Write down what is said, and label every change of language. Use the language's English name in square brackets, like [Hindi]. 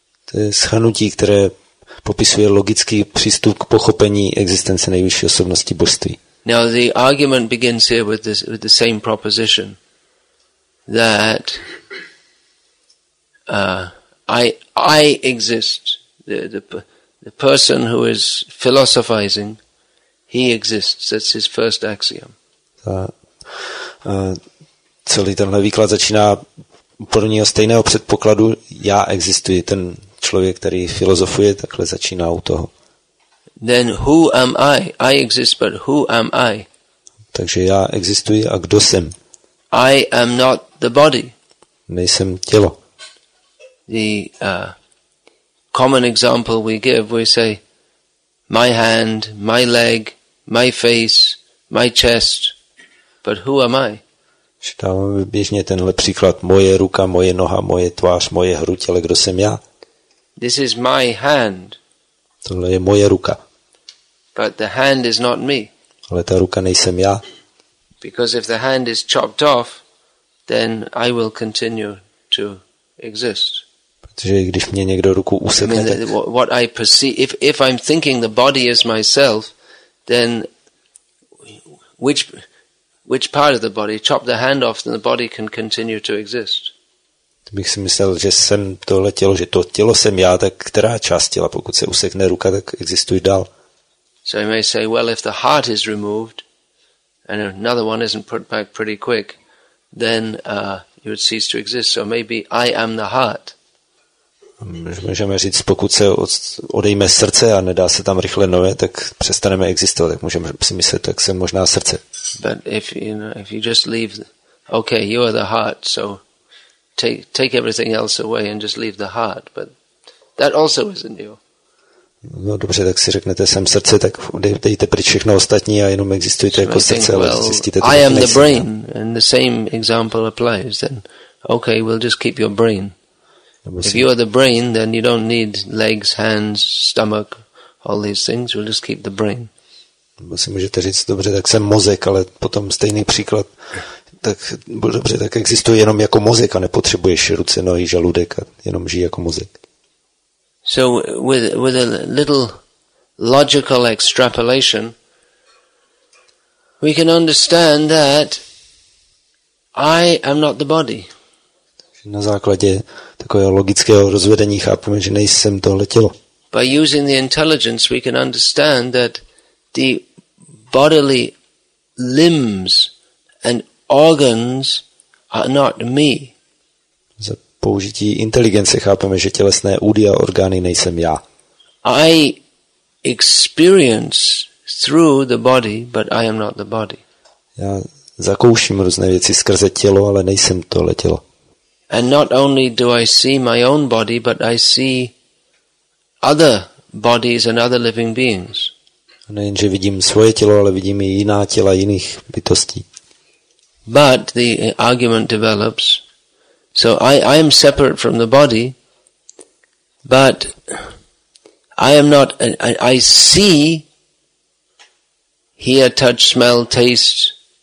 [Czech] To je shrnutí, které popisuje logický přístup k pochopení existence nejvyšší osobnosti božství. [English] Now the argument begins here with this, with the same proposition that I exist, the person who is philosophizing, he exists. That's his first axiom. [Czech] Celý tenhle výklad začíná úplně o stejného předpokladu, já existuji, ten člověk, který filozofuje, takhle začíná u toho. [English] Then who am I? I exist, but who am I? [Czech] Takže já existuji a kdo jsem? [English] I am not the body. [Czech] Nejsem tělo. [English] The common example we give, we say my hand, my leg, my face, my chest, but who am I? [Czech] Dáváme běžně tenhle příklad. Moje ruka, moje noha, moje tvář, moje hruď, ale kdo jsem já? [English] This is my hand. [Czech] Tohle je moje ruka. [English] But the hand is not me. [Czech] Ale ta ruka nejsem já. [English] Because if the hand is chopped off, then I will continue to exist. [Czech] Protože když mě někdo ruku usekne, [English] I mean, what I perceive, if I'm thinking the body is myself, then which part of the body? Chop the hand off, then the body can continue to exist. [Czech] Bych si myslel, že jsem tohle tělo, že to tělo jsem já, tak která část těla, pokud se usekne ruka, tak existuje dál. [English] So I may say, well, if the heart is removed and another one isn't put back pretty quick, then you would cease to exist. So maybe I am the heart. [Czech] Můžeme říct, pokud se odejme srdce a nedá se tam rychle nové, tak přestaneme existovat. Tak můžeme si myslet, tak jsem možná srdce. [English] But if you know, if you just leave, okay, you are the heart, so Take everything else away and just leave the heart, but that also isn't you. [Czech] No dobře, tak si řeknete, jsem srdce, tak dejte pryč všechno ostatní a jenom existujete jako srdce, ale zjistíte, [English] I am the brain, and the same example applies. Then, okay, we'll just keep your brain. If you are the brain, then you don't need legs, hands, stomach, all these things. We'll just keep the brain. [Czech] Nebo si můžete říct, dobře, tak jsem mozek, ale potom stejný příklad. Tak dobře, tak existuje jenom jako mozek a nepotřebuješ ruce, nohy, žaludek a jenom žij jako mozek. [English] So with a little logical extrapolation, we can understand that I am not the body. [Czech] Na základě takového logického rozvedení chápeme, že nejsem tohle tělo. [English] By using the intelligence, we can understand that the bodily limbs and organs are not me. [Czech] Za použití inteligence chápeme, že tělesné údy a orgány nejsem já. [English] I experience through the body, but I am not the body. [Czech] Já zakouším různé věci skrze tělo, ale nejsem tohle tělo. [English] And not only do I see my own body, but I see other bodies and other living beings. [Czech] Nejenže vidím svoje tělo, ale vidím i jiná těla jiných bytostí. [English] But the argument develops. So I am separate from the body, but I am not. I see, hear, touch, smell, taste.